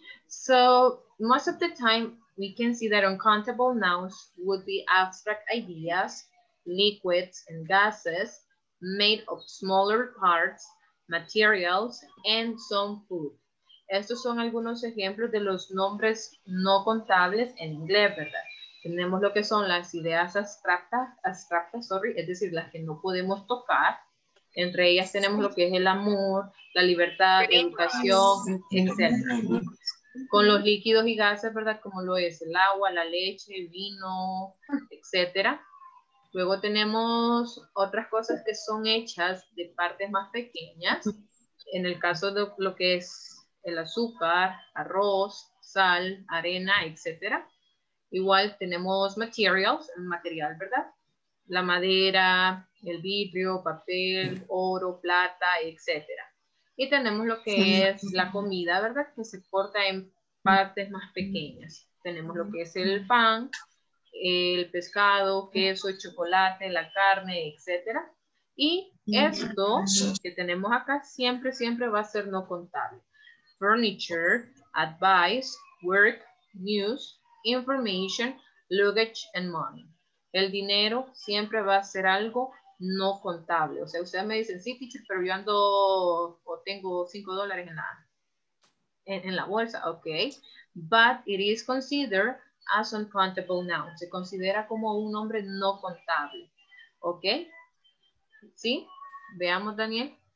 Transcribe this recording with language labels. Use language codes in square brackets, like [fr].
[en] So most of the time we can see that uncountable nouns would be abstract ideas, liquids and gases, made of smaller parts, materials, and some food. [es] Estos son algunos ejemplos de los nombres no contables en inglés, ¿verdad? Tenemos lo que son las ideas abstractas, es decir, las que no podemos tocar. Entre ellas tenemos lo que es el amor, la libertad, la educación, etc. Con los líquidos y gases, ¿verdad? Como lo es el agua, la leche, el vino, etc. Luego tenemos otras cosas que son hechas de partes más pequeñas. En el caso de lo que es el azúcar, arroz, sal, arena, etc. Igual tenemos materials, el material, ¿verdad? La madera, el vidrio, papel, oro, plata, etc. Y tenemos lo que es la comida, ¿verdad? Que se corta en partes más pequeñas. Tenemos lo que es el pan, el pescado, queso, chocolate, la carne, etc. Y esto que tenemos acá siempre, siempre va a ser no contable. [en] Furniture, advice, work, news, information, luggage, and money. [es] El dinero siempre va a ser algo no contable. O sea, ustedes me dicen, sí, teacher, pero yo ando o tengo $5 en la bolsa. [en] Ok. But it is considered as uncountable noun. [es] Se considera como un nombre no contable. Ok. ¿Sí? Veamos, Daniel.